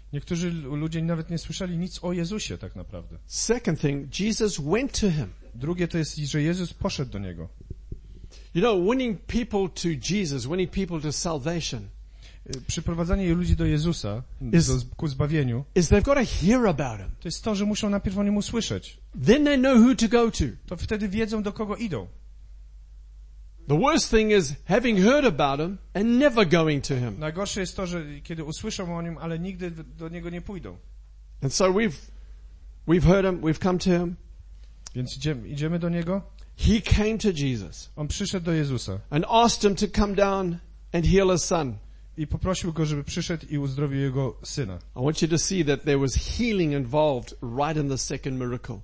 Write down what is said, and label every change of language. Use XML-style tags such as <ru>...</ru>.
<pl>Niektórzy ludzie nawet nie słyszeli nic o Jezusie tak naprawdę.</pl> <en>Second thing, Jesus went to him.</en> <pl>Drugie to jest, że Jezus poszedł do niego.</pl> <en>You know, winning people to Jesus, winning people to salvation.</en> <pl>Przyprowadzanie ludzi do Jezusa ku zbawieniu.</pl> <en>Is they've got to hear about him.</en> <pl>To jest to, że muszą najpierw o nim usłyszeć.</pl> <en>Then they know who to go to.</en> <pl>To wtedy wiedzą, do kogo idą.</pl> <en>The worst thing is having heard about him and never going to him.</en> <pl>Najgorsze jest to, że kiedy usłyszą o nim, ale nigdy do niego nie pójdą.</pl> <en>And so we've heard him, we've come to him.</en> <pl>Więc idziemy do niego.</pl> <en>He came to Jesus.</en> <pl>On przyszedł do Jezusa.</pl> <en>And asked him to come down and heal his son.</en> <pl>I poprosił go, żeby przyszedł i uzdrowił jego syna.</pl> <en>I want you to see that there was healing involved right in the second miracle.</en>